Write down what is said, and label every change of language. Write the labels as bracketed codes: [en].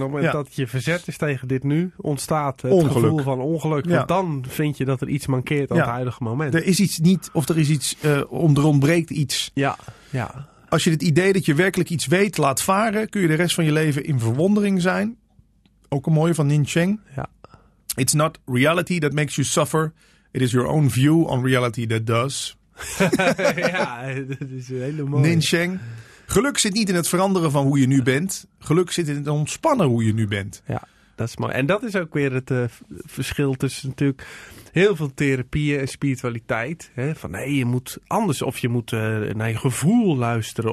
[nl] En op het moment dat je verzet is tegen dit nu, ontstaat het ongeluk. Gevoel van ongeluk. Ja. Want dan vind je dat er iets mankeert aan het huidige moment. Er is iets niet, of er is iets, er ontbreekt iets. Ja, ja. Als je het idee dat je werkelijk iets weet laat varen, kun je de rest van je leven in verwondering zijn. Ook een mooie van Nin Cheng. Ja. [en] It's not reality that makes you suffer. It is your own view on reality that does. [nl] Ja, dat is een hele mooie. Nin Cheng. Geluk zit niet in het veranderen van hoe je nu bent. Geluk zit in het ontspannen hoe je nu bent. Ja, dat is mooi. En dat is ook weer het verschil tussen natuurlijk heel veel therapieën en spiritualiteit. Hè? Van nee, je moet anders. Of je moet naar je gevoel luisteren.